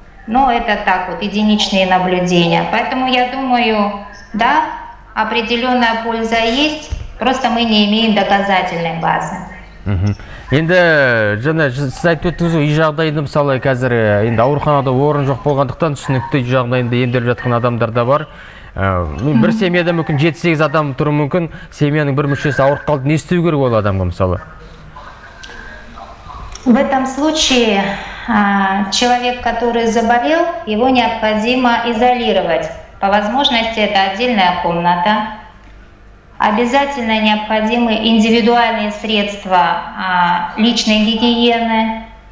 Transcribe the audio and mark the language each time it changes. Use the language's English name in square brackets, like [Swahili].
[Russian] Но это так вот, единичные наблюдения. Поэтому я думаю, да, определенная польза есть, просто мы не имеем доказательной базы. [Kazakh] Енді жаңа сіз айтып өттіңіз ғой, үй жағдайында мысалы қазір енді ауруханада орын жоқ болғандықтан түсінікті, үй жағдайында емделіп жатқан адамдар да бар. Бір семьяда мүмкін 7-8 адам тұруы мүмкін, семьяның бір мүшесі ауырып қалды, не істеу керек ол адамға мысалы? [Russian] В этом случае человек, который заболел, его необходимо изолировать. По возможности это отдельная комната. Обязательно необходимы индивидуальные средства личной гигиены.